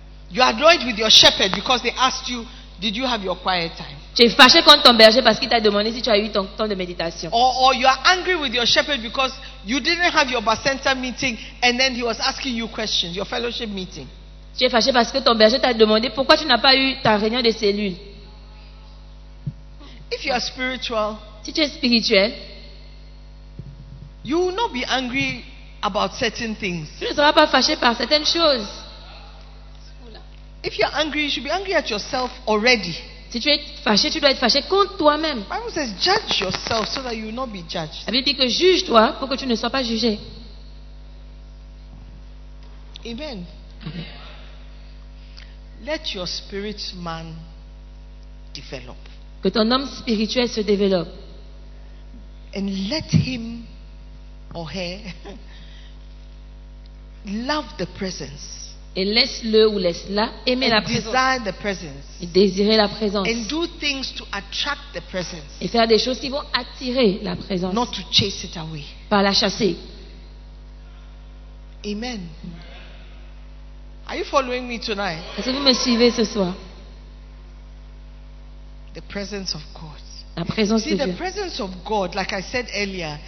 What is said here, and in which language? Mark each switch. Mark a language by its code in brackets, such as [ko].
[en] You are annoyed with your shepherd because they asked you, did you have your quiet time? [fr] Tu es fâché contre ton berger parce qu'il t'a demandé si tu as eu ton temps de méditation. [en] Or you are angry with your shepherd because you didn't have your basenta meeting and then he was asking you questions, your fellowship meeting. [fr] Tu es fâché parce que ton berger t'a demandé pourquoi tu n'as pas eu ta réunion de cellule. [en] If you are spiritual, [fr] si tu es spirituel, [en] you will not be angry about certain things. [fr] Tu ne seras pas fâché par certaines choses. [en] If you are angry, you should be angry at yourself already. [fr] Si tu es fâché, tu dois être fâché contre toi-même. [en] Bible says, judge yourself so that you will not be judged. [fr] La Bible dit que juge-toi pour que tu ne sois pas jugé. [en] Amen. Amen. Let your spirit man develop. [fr] que ton homme spirituel se développe. [en] And let him or her love the presence. [fr] Et laisse-le ou laisse-la aimer [en] and [fr] la présence. [en] The presence. [fr] Et désirer la présence. [en] And do things to attract the presence. [fr] Et faire des choses qui vont attirer la présence. [en] Not to chase it away. [fr] Pas la chasser. [en] Amen. Are you following me tonight? [fr] Est-ce que vous me suivez ce soir? [en] The presence of God. [fr] La présence [en] see, [fr] de Dieu. [en] See, the presence of God, like I said earlier,